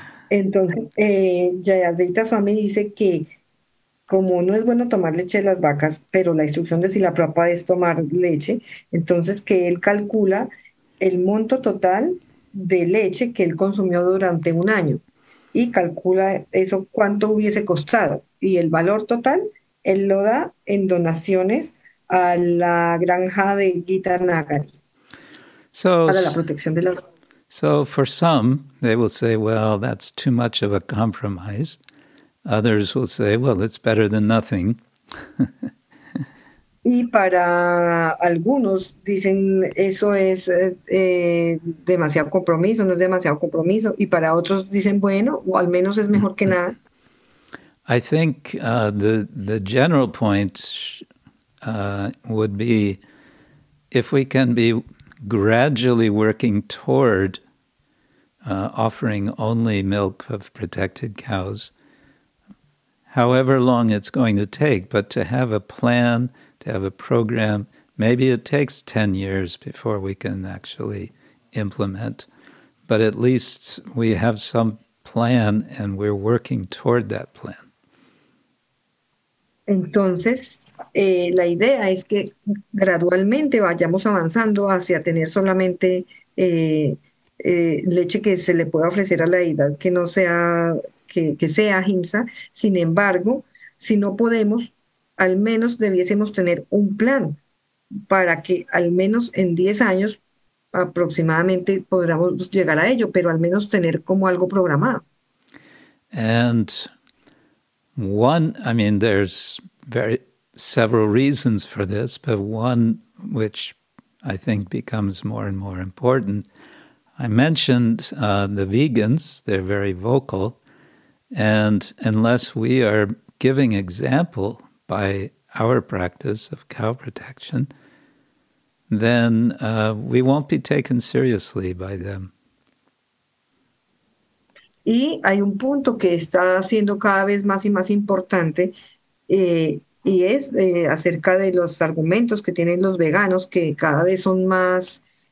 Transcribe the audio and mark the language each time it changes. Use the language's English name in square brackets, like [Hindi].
[Spanish] entonces Jayadeita Swami dice que como no es bueno tomar leche de las vacas, pero la instrucción de Srila Prabhupada es tomar leche, entonces que él calcula el monto total de leche que él consumió durante un año y calcula eso cuánto hubiese costado y el valor total él lo da en donaciones a la granja de Gitanagari [English] So, [Spanish] para la protección de la. [English] for some, they will say, well, that's too much of a compromise. Others will say, well, it's better than nothing. [Spanish] Y para algunos dicen eso es demasiado compromiso, no es demasiado compromiso. Y para otros dicen bueno, o al menos es mejor que nada. [English] I think the general point would be if we can be gradually working toward offering only milk of protected cows, however long it's going to take, but to have a plan, to have a program, maybe it takes 10 years before we can actually implement, but at least we have some plan and we're working toward that plan. [Spanish] Entonces, la idea es que gradualmente vayamos avanzando hacia tener solamente leche que se le pueda ofrecer a la deidad, que no sea, que sea ahimsa. Sin embargo, si no podemos, al menos debiésemos tener un plan para que al menos en 10 años aproximadamente podamos llegar a ello, pero al menos tener como algo programado. [English] And one, I mean, there's very several reasons for this, but one which I think becomes more and more important. I mentioned the vegans, they're very vocal, and unless we are giving example by our practice of cow protection, then we won't be taken seriously by them. [Spanish] Y hay un punto que está siendo cada vez más y más importante y es acerca de los argumentos que tienen los veganos, que cada vez son más